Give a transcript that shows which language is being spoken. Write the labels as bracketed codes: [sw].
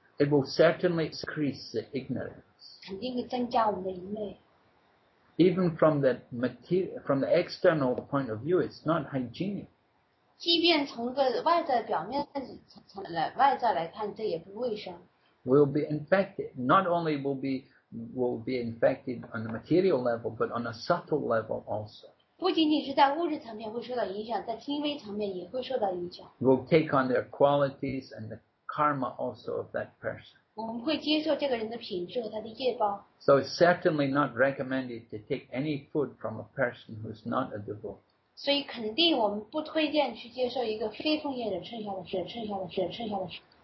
[en] It will certainly increase the ignorance. [zh] 肯定会增加我们的愚昧。 [en] Even from the material, from the external point of view, it's not hygienic. [zh] 即便从个外在表面从外在来看，这也不卫生。 [en] We'll be infected. Not only will be infected on the material level, but on a subtle level also. [zh] 不仅仅是在物质层面会受到影响，在轻微层面也会受到影响。 [en] We'll take on their qualities and the karma also of that person. [zh] 我们会接受这个人的品质和他的业报。 [en] So it's certainly not recommended to take any food from a person who's not a devotee. [zh] 所以肯定我们不推荐去接受一个非奉献者剩下的食。